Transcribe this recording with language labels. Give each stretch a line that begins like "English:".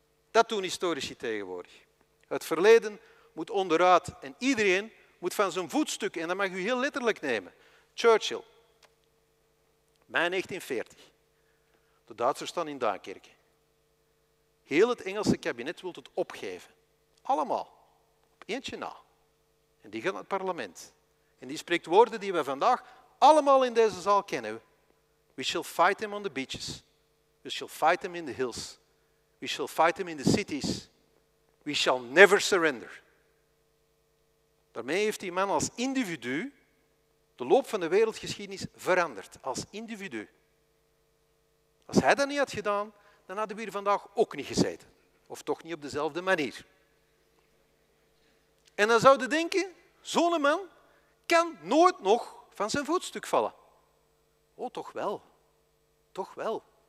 Dutch: Dat doen historici tegenwoordig. Het verleden moet onderuit en iedereen moet van zijn voetstuk, en dat mag u heel letterlijk nemen, Churchill. Mei 1940. De Duitsers staan in Duinkerke. Heel het Engelse kabinet wil het opgeven. Allemaal. Op eentje na. En die gaat naar het parlement. En die spreekt woorden die we vandaag allemaal in deze zaal kennen.
English: We shall fight him on the beaches. We shall fight him in the hills. We shall fight him in the cities. We shall never surrender.
Dutch: Daarmee heeft die man als individu de loop van de wereldgeschiedenis verandert als individu. Als hij dat niet had gedaan, dan hadden we hier vandaag ook niet gezeten. Of toch niet op dezelfde manier. En dan zouden denken, zo'n man kan nooit nog van zijn voetstuk vallen. Oh, toch wel. Toch wel.